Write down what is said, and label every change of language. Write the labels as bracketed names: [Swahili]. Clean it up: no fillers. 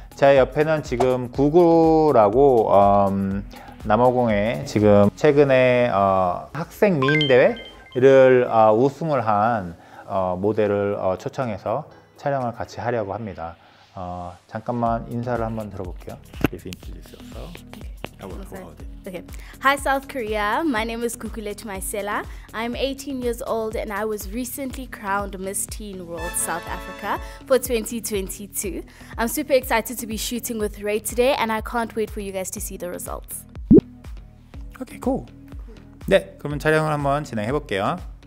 [Korean] 제 옆에는 지금 구구라고 남아공에 지금 최근에 학생 미인대회 를 우승을 한 모델을 초청해서 촬영을 같이 하려고 합니다. 잠깐만 인사를 한번 들어볼게요. [English] Please introduce yourself. Okay. Hi, South Korea. My name is Kukulech Maisela. I'm 18 years old and I was recently crowned Miss Teen World South Africa for 2022. I'm super excited to be shooting with Ray today and I can't wait for you guys to see the results. Okay, cool. [Korean] 네, 그러면 촬영을 한번 진행해 볼게요.